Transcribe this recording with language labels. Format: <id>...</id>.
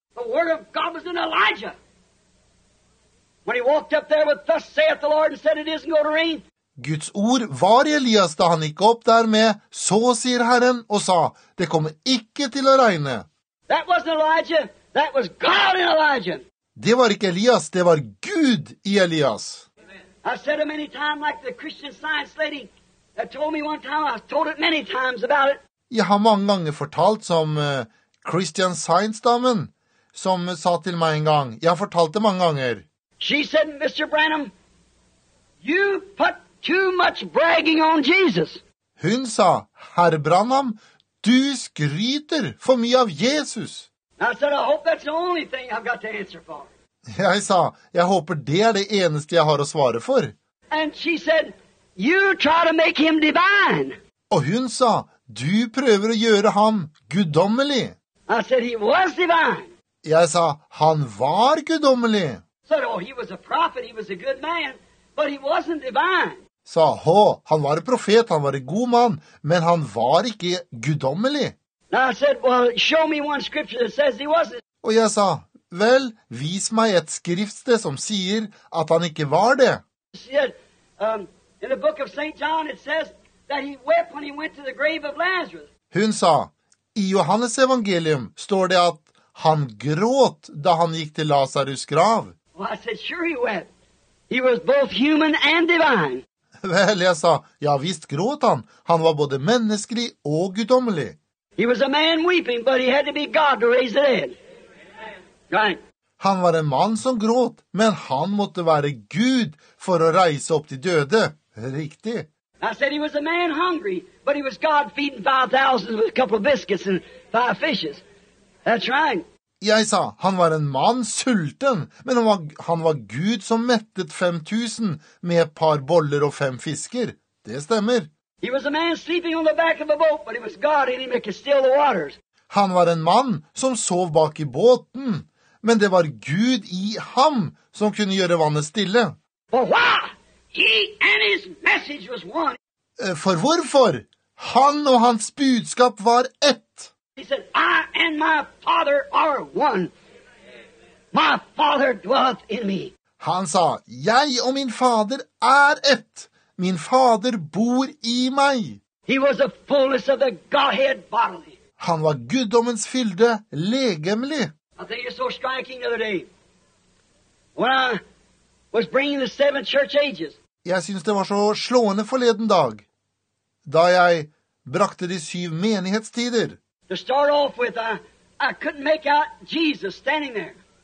<en>The word of God was in Elijah. When he walked up there with thus saith the Lord and said it isn't going to rain.</en> <no>Guds ord var i Elias da han gikk opp der med, så sier Herren og sa, det kommer ikke til å regne.</no> <en>That wasn't Elijah, that was God in Elijah.</en> <no>Det var ikke Elias, det var Gud i Elias.</no> <en>I've said it many times, like the Christian Science lady that told me one time. I've told it many times about it.</en> <no>Jeg har mange ganger fortalt som Christian Science-damen, som sa til meg en gang. Jeg har fortalt det mange ganger.</no> <en>She said, Mr. Branham, you put too much bragging on Jesus.</en> <no>Hun sa, Herr Branham, du skryter for mye av Jesus.</no> <en>I said, I hope that's the only thing I've got to answer for.</en> <no>Jeg sa, jeg håper det det eneste jeg har å svare for.</no> <en>And she said, you try to make him divine.</en> <no>Og hun sa, du prøver å gjøre ham guddommelig.</no> <en>I said, he was divine.</en> <no>Jeg sa, han var guddommelig.</no> <en>Said, oh, he was a prophet, he was a good man, but he wasn't divine.</en> <no>Sa, hå, han var en profet, han var en god mann, men han var ikke guddommelig.</no> <en>I said, well, show me one scripture that says he wasn't.</en> <no>Og jeg sa, vel, vis meg et skriftsted som sier at han ikke var det.</no> <en>He said, in the book of St. John, it says that he wept when he went to the grave of Lazarus.</en> <no>Hun sa, i Johannes evangelium står det at han gråt da han gikk til Lazarus grav.</no> <en>Well, I said, sure he wept. He was both human and divine.</en> <no>Vel, jeg sa, ja, visst gråt han. Han var både menneskelig og guddommelig.</no> <en>He was a man weeping, but he had to be God to raise the dead. Right.</en> <no>Han var en mann som gråt, men han måtte være Gud for å reise opp de døde. Riktig.</no> <en>I said he was a man hungry, but he was God feeding 5,000 with a couple of biscuits and five fishes. That's right.</en> <no>Jeg sa, han var en mann sulten, men han var Gud som mettet 5,000 med et par boller og fem fisker. Det stemmer.</no> <en>He was a man sleeping on the back of a boat, but he was God in him that could still the waters.</en> <no>Han var en mann som sov bak i båten, men det var Gud i ham som kunne gjøre vannet stille.</no> <en>For why? He and his message was one.</en> <no>For hvorfor? Han og hans budskap var ett.</no> <en>He said, I and my father are one. My father dwelleth in me.</en> <no>Han sa, jeg og min fader ett. Min fader bor i meg.</no> <en>He was the fullness of the Godhead bodily.</en> <no>Han var guddommens fylde, legemlig.</no> <en>I think it's so striking the other day. When I was bringing the seven church ages.</en> <no>Jeg synes det var så slående forleden dag, da jeg brakte de syv menighetstider.</no> <en>To start off with, I couldn't make out Jesus standing there.</en>